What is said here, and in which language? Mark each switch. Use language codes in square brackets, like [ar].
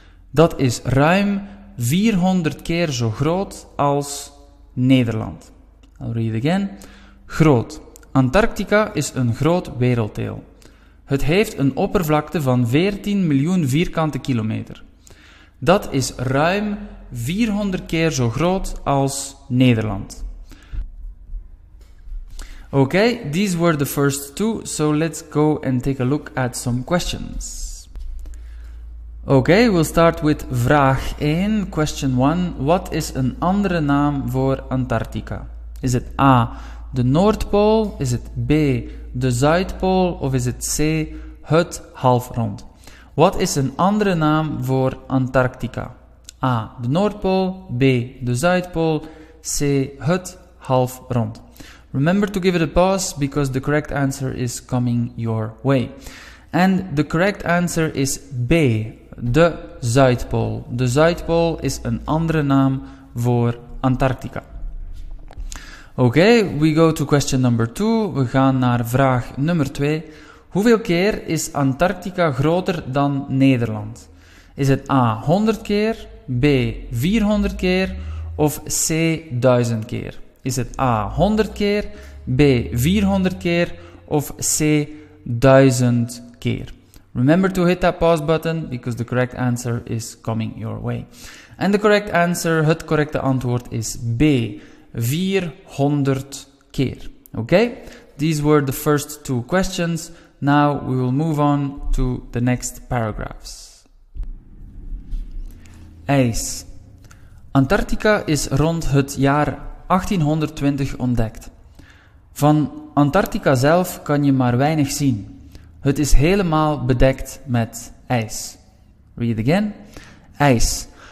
[nl] Dat is ruim 400 keer zo groot als Nederland. [en] I'll read again. [nl] Groot. Antarctica is een groot werelddeel. Het heeft een oppervlakte van 14 miljoen vierkante kilometer. Dat is ruim 400 keer zo groot als Nederland. [en] Okay, these were the first two, so let's go and take a look at some questions. Okay, we'll start with vraag 1, question 1. [nl] Wat is een andere naam voor Antarctica? Is het A, de Noordpool, is het B, de Zuidpool, of is het C, het halfrond? Wat is een andere naam voor Antarctica? A, de Noordpool, B, de Zuidpool, C, het halfrond. [en] Remember to give it a pause, because the correct answer is coming your way. And the correct answer is B, de Zuidpool. [nl] De Zuidpool is een andere naam voor Antarctica. [en] Okay, we go to question number 2. [nl] We gaan naar vraag nummer 2. Hoeveel keer is Antarctica groter dan Nederland? Is het A 100 keer, B 400 keer of C 1000 keer? Is het A 100 keer, B 400 keer of C duizend keer. [en] Remember to hit that pause button, because the correct answer is coming your way. And the correct answer, [nl] het correcte antwoord is B, 400 keer. Okay? [en] These were the first two questions. Now we will move on to the next paragraphs. [nl] Ijs. Antarctica is rond het jaar 1820 ontdekt. Van Antarctica zelf kan je maar weinig zien. Het is helemaal bedekt met ijs. [en] Read again. [nl] Ijs.